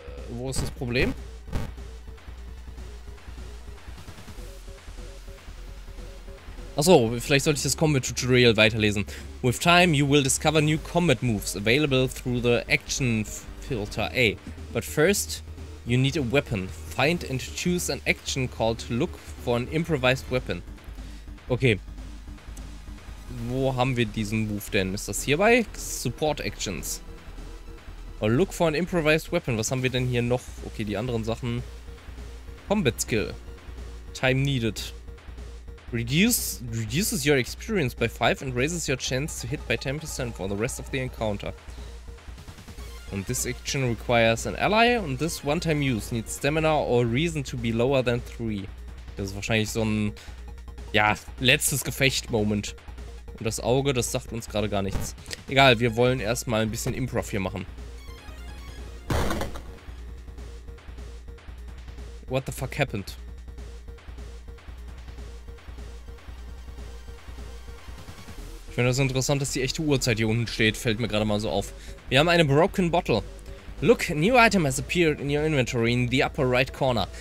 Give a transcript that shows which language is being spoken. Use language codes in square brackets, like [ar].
[de] Wo ist das Problem? Achso, vielleicht sollte ich das Combat Tutorial weiterlesen. [en] With time, you will discover new combat moves available through the action filter A. But first, you need a weapon. Find and choose an action called look for an improvised weapon. Okay. [de] Wo haben wir diesen Move denn? Ist das hierbei? Support Actions. [en] Or look for an improvised weapon. [de] Was haben wir denn hier noch? [en] Okay, [de] die anderen Sachen. [en] Combat Skill. Time needed. Reduces your experience by 5 and raises your chance to hit by 10% for the rest of the encounter. And this action requires an ally and this one-time use needs stamina or reason to be lower than 3. [de] Das ist wahrscheinlich so ein, ja, letztes Gefecht-Moment. Und das Auge, das sagt uns gerade gar nichts. Egal, wir wollen erstmal ein bisschen Improv hier machen. [en] What the fuck happened? [de] Ich finde das interessant, dass die echte Uhrzeit hier unten steht, fällt mir gerade mal so auf. Wir haben eine [en] broken bottle. Look, a new item has appeared in your inventory in the upper right corner.